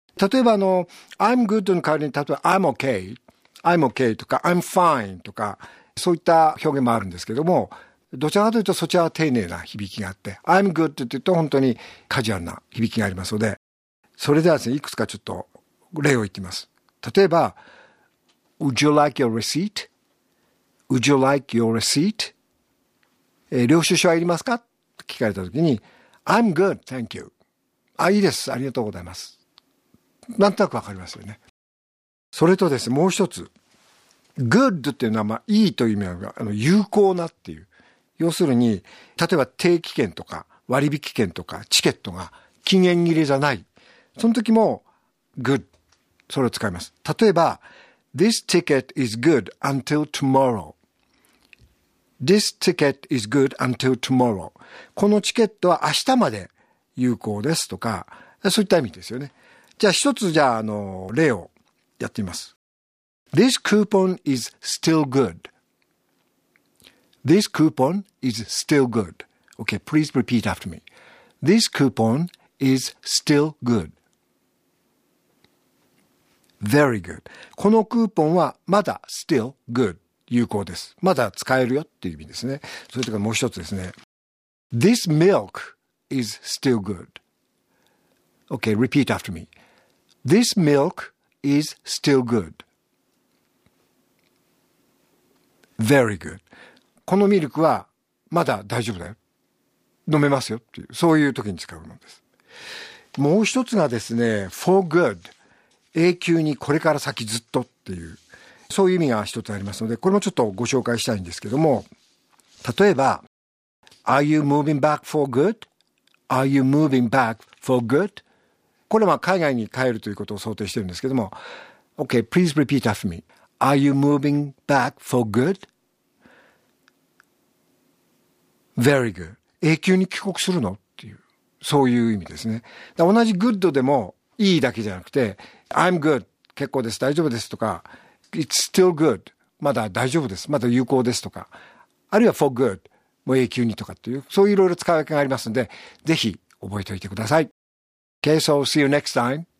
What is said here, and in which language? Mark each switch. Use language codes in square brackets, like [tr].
[ja] 例えば、 [en] I'm good [ja] の代わりに、例えば、 [en] I'm okay、I'm okay [ja] とか、 [en] I'm fine [ja] とか、そういった表現もあるんですけども、どちらかというと、そちらは丁寧な響きがあって、I'm good って言うと、本当にカジュアルな響きがありますので、それではですね、いくつかちょっと例を言っています。例えば、 [en] Would you like your receipt? Would you like your receipt? [ja] 領収書はいりますか？と聞かれたときに、 [en] I'm good, thank you. [ja] あ、いいです、ありがとうございます。なんとなくわかりますよね。それとですね、もう一つ、good っていうのは、まあ、いいという意味が、有効なっていう。要するに、例えば定期券とか割引券とかチケットが期限切れじゃない。その時も、good。それを使います。例えば、 [en] This ticket is good until tomorrow. This ticket is good until tomorrow. [ja] このチケットは明日まで有効ですとか、そういった意味ですよね。じゃあ一つ、じゃあ例をやってみます。 [en] This coupon is still good. This coupon is still good. Okay, please repeat after me. This coupon is still good. Very good. [ja] このクーポンはまだ [en] still good [ja] 有効です。まだ使えるよっていう意味ですね。それとかもう一つですね。 [en] This milk is still good. Okay, repeat after me. This milk is still good. Very good. [ja] このミルクはまだ大丈夫だよ。飲めますよっていう、そういう時に使うものです。もう一つがですね、for good. 永久に、これから先ずっとっていう、そういう意味が一つありますので、これもちょっとご紹介したいんですけども、例えば [en] Are you moving back for good? Are you moving back for good? [ja] これは海外に帰るということを想定してるんですけども、 [en] OK, please repeat after me. Are you moving back for good? Very good. [ja] 永久に帰国するのっていう、そういう意味ですね。同じ good でもいいだけじゃなくて、 [en] I'm good、 [ja] 結構です、大丈夫ですとか、 [en] It's still good、 [ja] まだ大丈夫です、まだ有効ですとか、あるいは for good、 もう永久にとかっていう、そういういろいろ使い分けがありますので、ぜひ覚えておいてください。 [en] Okay, so see you next time.